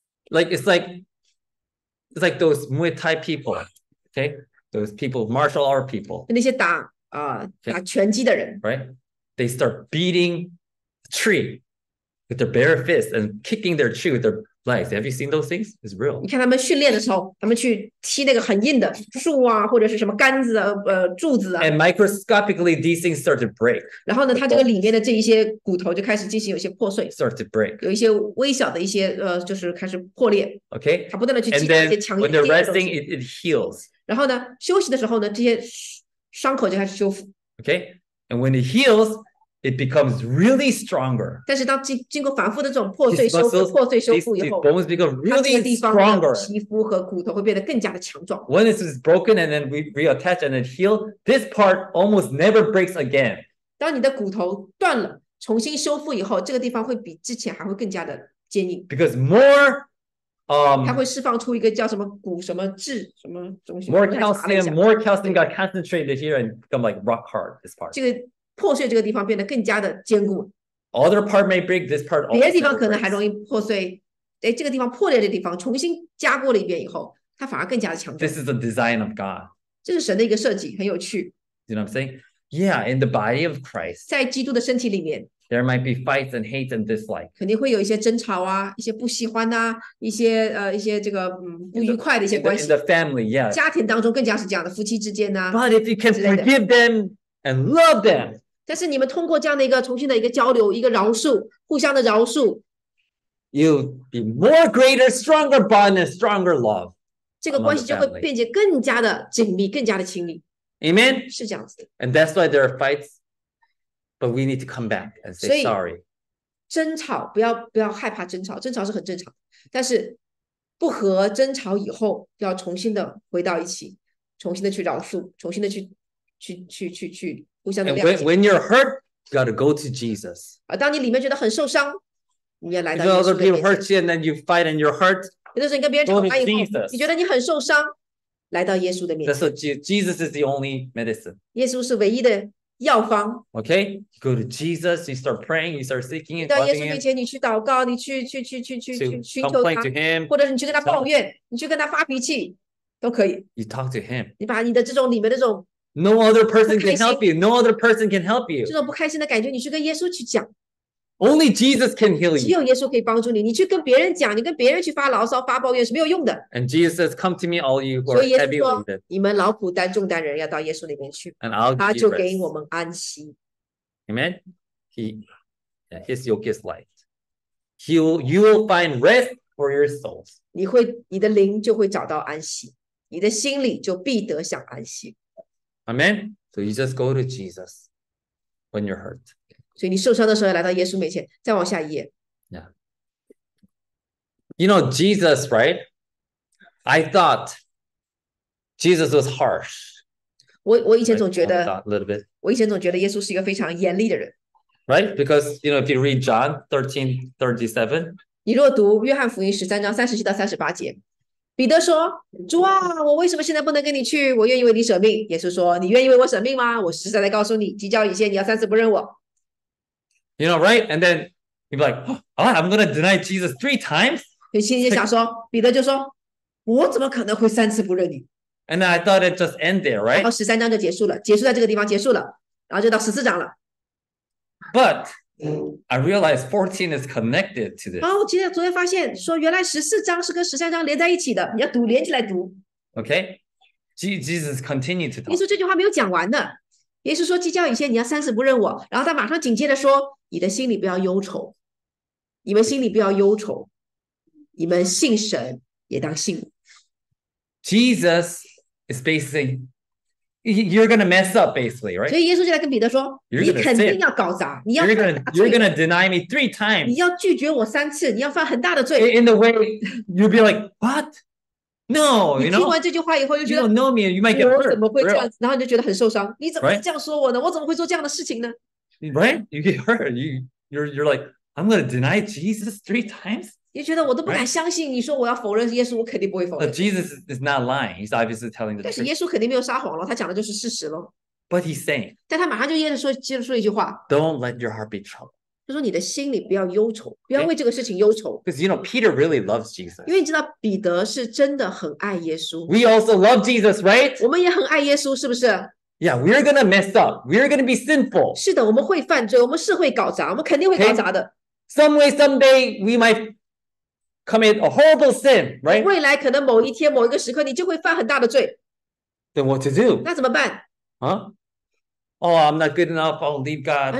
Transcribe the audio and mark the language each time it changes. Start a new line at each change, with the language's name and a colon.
English: Like it's like those Muay Thai people, okay? Those people, martial art people,
Chinese: 那些打打拳击的人
English: right? They start beating a tree, with their bare fists and kicking their shoe with their legs. Have you seen those things? It's real.
Chinese: 你看他们训练的时候，他们去踢那个很硬的树啊，或者是什么杆子啊，柱子啊。
English: And microscopically, these things start to break.
Chinese: 然后呢，它这个里面的这一些骨头就开始进行有些破碎。
English: Start to break.
Chinese: 有一些微小的一些就是开始破裂。
English: Okay.
Chinese: 它不断的去击打一些强硬的东西。
English: When they're resting, it heals.
Chinese: 然后呢，休息的时候呢，这些伤口就开始修复。
English: Okay. And when it heals. It becomes really stronger.
Chinese: 但是当经过反复的这种破碎修复、破碎修复以后
English: ，bones become really stronger.
Chinese: 皮肤和骨头会变得更加的强壮。
English: When this is broken and then we reattach and it heals, this part almost never breaks again.
Chinese: 当你的骨头断了，重新修复以后，这个地方会比之前还会更加的坚硬。
English: Because more,
Chinese: 它会释放出一个叫什么骨什么质什么东西。
English: More calcium got concentrated here and become like rock hard. This part.
Chinese: 这个破碎这个地方变得更加的坚固。
English: Other part may break, this part also
Chinese: 别的地方可能还容易破碎。哎，这个地方破裂的地方，重新加固了一遍以后，它反而更加的强壮。
English: This is the design of God.
Chinese: 这是神的一个设计，很有趣。
English: You know what I'm saying? Yeah, in the body of Christ.
Chinese: 在基督的身体里面
English: ，there might be fights and hate and dislike.
Chinese: 肯定会有一些争吵啊，一些不喜欢啊，一些这个不愉快的一些关系。
English: In the family, yeah.
Chinese: 家庭当中更加是这样的，夫妻之间呢、啊。
English: But if you can forgive them and love them.
Chinese: 但是你们通过这样的一个重新的一个交流，一个饶恕，互相的饶恕
English: ，You'll be more greater, stronger bond and stronger love.
Chinese: 这个关系就会变得更加的紧密，更加的亲密。
English: Amen.
Chinese: 是这样子的。
English: And that's why there are fights, but we need to come back and say sorry.
Chinese: 争吵不要害怕争吵，争吵是很正常。但是不和争吵以后，要重新的回到一起，重新的去饶恕，重新的去。
English: And when you're hurt, you got to go to Jesus.
Chinese: 当你里面觉得很受伤，你也来到。
English: You know other people hurt you, and then you fight, and you're hurt.
Chinese: 有的时候你跟别人吵架以后，你觉得你很受伤，来到耶稣的面前。
English: So Jesus is the only medicine.
Chinese: 耶稣是唯一的药方。
English: Okay, you go to Jesus. You start praying. You start seeking it.
Chinese: 到耶稣面前，你去祷告，你去寻求他。
English: To him,
Chinese: 或者你去跟他抱怨，你去跟他发脾气，都可以。
English: You talk to him.
Chinese: 你把你的这种里面的这种。
English: No other person can help you. No other person can help you.
Chinese: 这种不开心的感觉，你去跟耶稣去讲。
English: Only Jesus can heal you.
Chinese: 只有耶稣可以帮助你。你去跟别人讲，你跟别人去发牢骚、发抱怨是没有用的。
English: And Jesus says, "Come to me, all you who are heavy laden."
Chinese: 所以耶稣说，你们劳苦担重担人要到耶稣那边去。
English: And I'll give you rest.
Chinese: 他就给我们安息。
English: Amen. His yoke is light. You will find rest for your souls.
Chinese: 你的灵就会找到安息，你的心里就必得享安息。
English: Amen. So you just go to Jesus when you're hurt.
Chinese: 所以你受伤的时候来到耶稣面前，再往下一页。
English: Yeah. You know Jesus, right? I thought Jesus was harsh.
Chinese: 我以前总觉得
English: a little bit.
Chinese: 我以前总觉得耶稣是一个非常严厉的人。
English: Right? Because you know, if you read John 13:37,
Chinese: 你若读约翰福音十三章37-38节。彼得说：“主啊，我为什么现在不能跟你去？我愿意为你舍命。” 耶稣说：“你愿意为我舍命吗？我实在的告诉你，鸡叫以前你要三次不认我。”
English: You know, right? And then he'd be like, "Oh, I'm going to deny Jesus three times."
Chinese: 你心里就想说，彼得就说：“我怎么可能会三次不认你？”
English: And then I thought it just end there, right?
Chinese: 然后十三章就结束了，结束在这个地方结束了，然后就到十四章了。
English: But I realize 14 is connected to this.
Chinese: 我今天昨天发现说原来14章是跟13章连在一起的，你要读连起来读。
English: Okay, Jesus continued to talk.
Chinese: 耶稣这句话没有讲完呢。耶稣说鸡叫以前你要三次不认我，然后他马上紧接着说你的心里不要忧愁，你们心里不要忧愁，你们信神也当信。
English: Jesus is basically You're gonna mess up, basically, right?
Chinese: 所以耶稣就来跟彼得说，你肯定要搞砸，你要犯大罪。
English: You're gonna deny me three times.
Chinese: 你要拒绝我三次，你要犯很大的罪。
English: In the way you'd be like, what? No, you know.
Chinese: 你听完这句话以后，就觉得
English: You don't know me, you might get hurt.
Chinese: 我怎么会这样？然后就觉得很受伤。你怎么这样说我呢？我怎么会做这样的事情呢？
English: Right? You get hurt. You're like, I'm gonna deny Jesus three times.
Chinese: 你觉得我都不敢相信，你说我要否认耶稣，我肯定不会否认。
English: Jesus is not lying; he's obviously telling the truth.
Chinese: 但是耶稣肯定没有撒谎了，他讲的就是事实了。
English: But he's saying.
Chinese: 但他马上就接着说一句话。
English: Don't let your heart be troubled.
Chinese: 他说你的心里不要忧愁，不要为这个事情忧愁。
English: Because you know Peter really loves Jesus.
Chinese: 因为你知道彼得是真的很爱耶稣。
English: We also love Jesus, right?
Chinese: 我们也很爱耶稣，是不是？
English: Yeah, we're gonna mess up. We're gonna be sinful.
Chinese: 是的，我们会犯罪，我们是会搞砸，我们肯定会搞砸的。
English: Some way, someday, we might commit a horrible sin, right?
Chinese: 未来可能某一天、某一个时刻，你就会犯很大的罪。
English: Then what to do?
Chinese: 那怎么办？
English: Huh? Oh, I'm not good enough. I'll leave God.